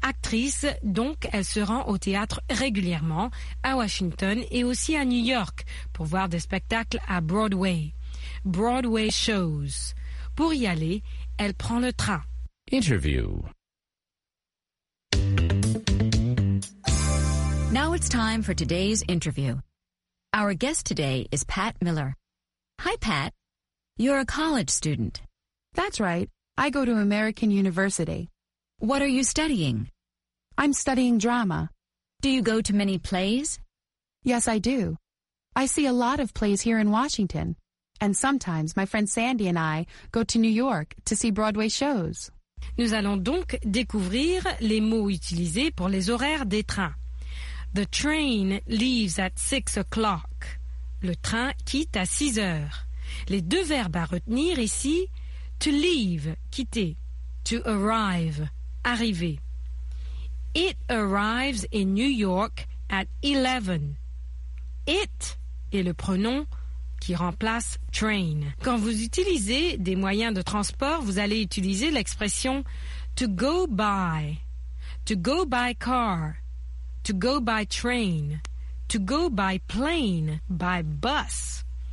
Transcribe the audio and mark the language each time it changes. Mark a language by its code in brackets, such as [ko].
[fr] Actrice, donc, elle se rend au théâtre régulièrement, à Washington et aussi à New York, pour voir des spectacles à Broadway. [en] Broadway shows. [fr] Pour y aller, elle prend le train. [en] Interview. Now it's time for today's interview. Our guest today is Pat Miller. Hi, Pat. You're a college student. That's right. I go to American University. What are you studying? I'm studying drama. Do you go to many plays? Yes, I do. I see a lot of plays here in Washington. And sometimes my friend Sandy and I go to New York to see Broadway shows. [fr] Nous allons donc découvrir les mots utilisés pour les horaires des trains. [en] The train leaves at 6 o'clock. [fr] Le train quitte à 6 heures. Les deux verbes à retenir ici, [en] to leave, [fr] quitter, [en] to arrive, [fr] arriver. [en] It arrives in New York at 11. [fr] It est le pronom qui remplace train. Quand vous utilisez des moyens de transport, vous allez utiliser l'expression [en] to go by car, to go by train, to go by plane, by bus.